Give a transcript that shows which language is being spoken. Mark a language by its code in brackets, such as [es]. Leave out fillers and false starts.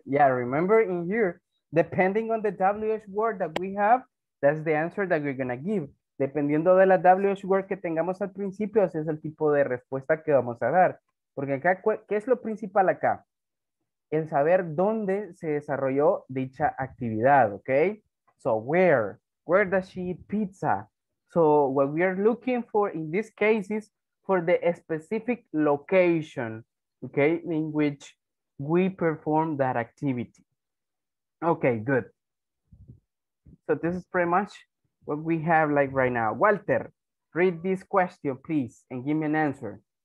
[en] Yeah, remember in here, depending on the WH word that we have, that's the answer that we're going to give. [es] Dependiendo de la WH word que tengamos al principio, ese es el tipo de respuesta que vamos a dar. Porque acá, ¿qué es lo principal acá? El saber dónde se desarrolló dicha actividad, ¿ok? [en] So, where? Where does she eat pizza? So, what we are looking for in this case is for the specific location, ¿ok? In which we perform that activity. Okay, good. So, this is pretty much what we have like right now. Walter, read this question, please, and give me an answer.